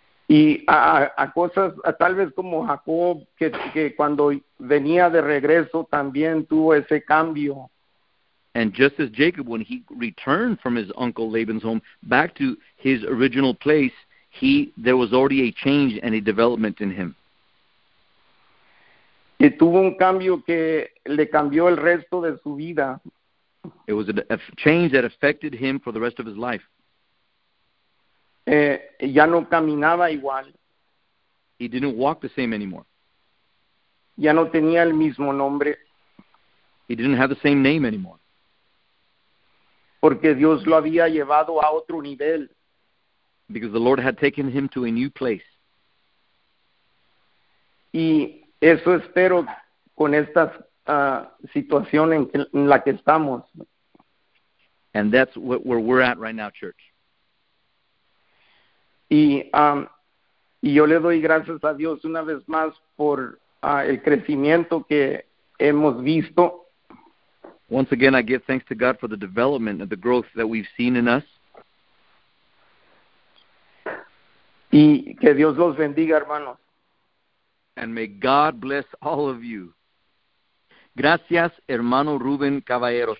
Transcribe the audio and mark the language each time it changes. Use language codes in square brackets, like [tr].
[es] Y a cosas, a tal vez como Jacob, que cuando venía de regreso también tuvo ese cambio. [en] And just as Jacob, when he returned from his uncle Laban's home back to his original place, there was already a change and a development in him. [es] Que tuvo un cambio que le cambió el resto de su vida. [en] It was a change that affected him for the rest of his life. [es] Ya no caminaba igual. [en] He didn't walk the same anymore. [es] Ya no tenía el mismo nombre. [en] He didn't have the same name anymore. [es] Porque Dios lo había llevado a otro nivel. [en] Because the Lord had taken him to a new place. [es] Y eso espero con esta situación en la que estamos. [en] And that's where we're at right now, church. [es] Y yo le doy gracias a Dios una vez más por el crecimiento que hemos visto. [en] Once again, I give thanks to God for the development and the growth that we've seen in us. [es] Y que Dios los bendiga, hermanos. [en] And may God bless all of you. [es] Gracias, hermano Ruben Caballero.